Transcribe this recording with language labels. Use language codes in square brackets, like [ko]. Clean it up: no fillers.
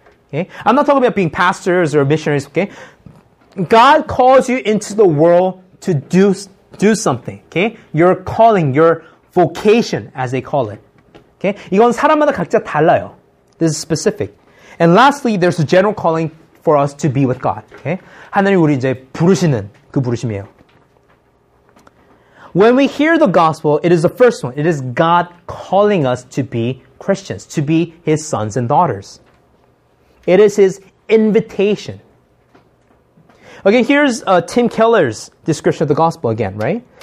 [en] Okay, I'm not talking about being pastors or missionaries. Okay, God calls you into the world to do something. Okay, your calling, your vocation, as they call it. [ko] Okay, 이건 사람마다 각자 달라요. [en] This is specific. And lastly, there's a general calling for us to be with God. Okay? [ko] 하나님 우리 이제 부르시는 그 부르심이에요. [en] When we hear the gospel, it is the first one. It is God calling us to be Christians, to be His sons and daughters. It is His invitation. Okay, here's Tim Keller's description of the gospel again, right?